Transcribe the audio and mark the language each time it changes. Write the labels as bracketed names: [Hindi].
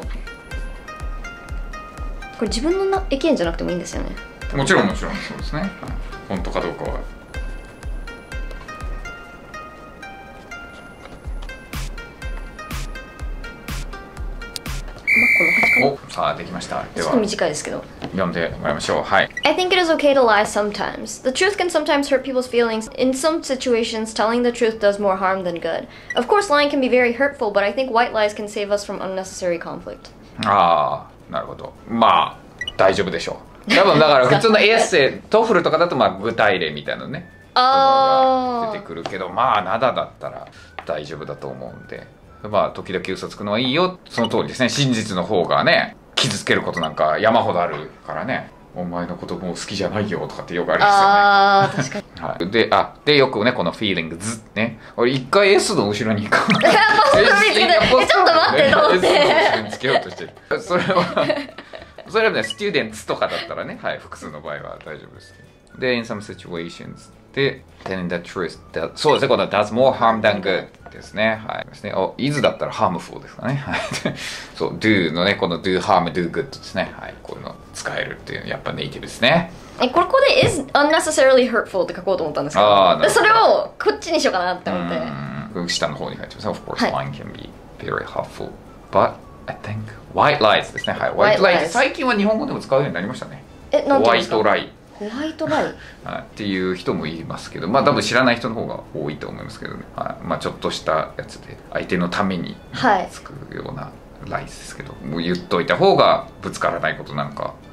[Japanese] これ自分の意見じゃなくてもいいんですよね。もちろんもちろん、そうですね。本当かどうかは。お、さあできました。ではちょっと短いですけど読んでもらいましょう。はい。 [English] I think it is okay to lie sometimes. The truth can sometimes hurt people's feelings. In some situations, telling the truth does more harm than good. Of course, lying can be very hurtful, but I think white lies can save us from unnecessary conflict. [Japanese] あー、なるほど。まあ、大丈夫でしょう。多分だから普通のエッセイ、トフルとかだと、まあ具体例みたいなね、あ、出てくるけど、まあナダだったら大丈夫だと思うんで、まあ時々嘘つくのはいいよ。その通りですね。真実の方がね、傷つけることなんか山ほどあるからね。お前のこともう好きじゃないよとかってよくあるんですよね。あ、確かに。はい、で、あ、でよくね、このフィーリングズね、俺一回 S の後ろに行こう。ポスト見つけて、ちょっと待ってと思って。 S の後ろにつけようとしてる。それは。それはね、スチューデンツとかだったらね、はい、複数の場合は大丈夫です。で、 [English] in some situations [Japanese] で、 [English] telling the truth that、 [Japanese] そうですね、この [English] does more harm than good [Japanese] ですね。はい、ですね。お、is だったら harmful ですかね。はい。そう、do のね、この do harm, do good ですね。はい、こういうの使えるっていうのやっぱネイティブですね。え、ここで [English] is unnecessarily hurtful [Japanese] って書こうと思ったんですけど、あ、なるほど。それをこっちにしようかなって思って、うん、下の方に書いてます。 [English] Of course, lying can be very hurtful, but I thinkWhite lies ですね。 [Japanese] はい。 White lies。最近は日本語でも使うようになりましたね。え、なんて言うんですか？White lie。 White lie。はい。っていう人もいますけど、まあ多分知らない人の方が多いと思いますけどね。はい。まあちょっとしたやつで、相手のためにつくような lies ですけど、はい、もう言っといた方がぶつからないことなんか。